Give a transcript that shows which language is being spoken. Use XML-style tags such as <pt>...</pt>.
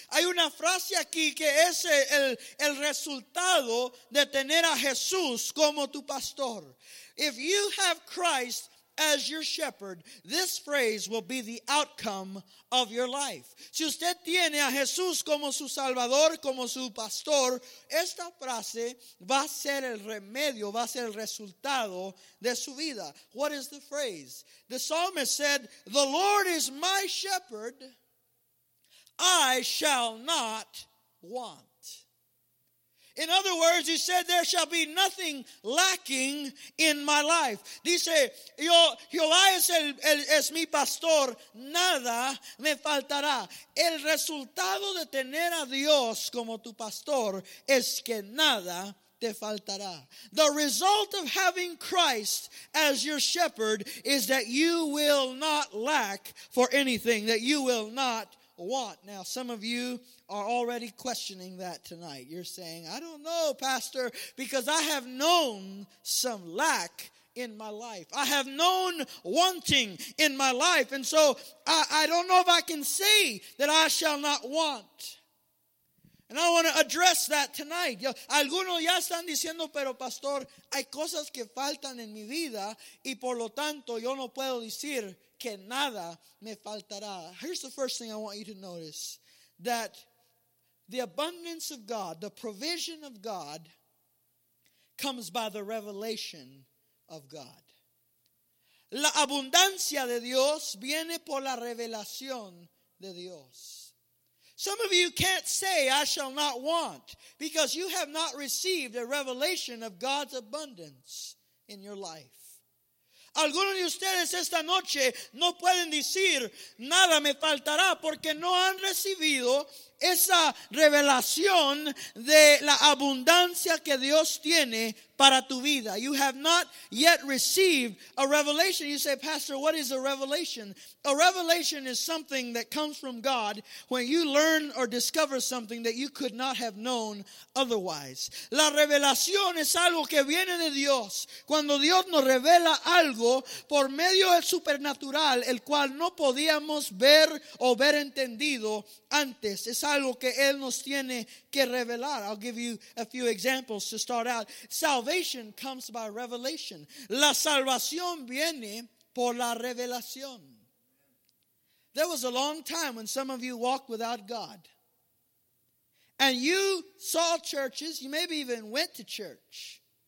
<es>Hay una frase aquí que es el resultado de tener a Jesús como tu pastor.</es> <en>If you have Christ as your shepherd, this phrase will be the outcome of your life.</en> <es>Si usted tiene a Jesús como su salvador, como su pastor, esta frase va a ser el remedio, va a ser el resultado de su vida.</es> <en>What is the phrase? The psalmist said, "The Lord is my shepherd, I shall not want." In other words, he said, there shall be nothing lacking in my life.</en> <es>Dice, yo, Jehová es mi pastor, nada me faltará. El resultado de tener a Dios como tu pastor es que nada te faltará.</es> <en>The result of having Christ as your shepherd is that you will not lack for anything, that you will not want. Now, some of you are already questioning that tonight. You're saying, I don't know, Pastor, because I have known some lack in my life. I have known wanting in my life. And so I don't know if I can say that I shall not want. And I want to address that tonight.</en> <es>Algunos ya están diciendo, pero Pastor, hay cosas que faltan en mi vida y por lo tanto yo no puedo decir que nada me faltará.</es> <en>Here's the first thing I want you to notice, that the abundance of God, the provision of God, comes by the revelation of God.</en> <es>La abundancia de Dios viene por la revelación de Dios.</es> <en>Some of you can't say, I shall not want, because you have not received a revelation of God's abundance in your life.</en> <es>Algunos de ustedes esta noche no pueden decir nada me faltará porque no han recibido esa revelación de la abundancia que Dios tiene para tu vida.</es> <en>You have not yet received a revelation. You say, Pastor, what is a revelation? A revelation is something that comes from God when you learn or discover something that you could not have known otherwise.</en> <es>La revelación es algo que viene de Dios. Cuando Dios nos revela algo por medio del supernatural, el cual no podíamos ver o ver entendido antes. Es algo que Él nos tiene que revelar.</es> <en>I'll give you a few examples to start out. Salvation comes by revelation.</en> <es>La salvación viene por la revelación.</es> <en>There was a long time when some of you walked without God. And you saw churches, you maybe even went to church.</en>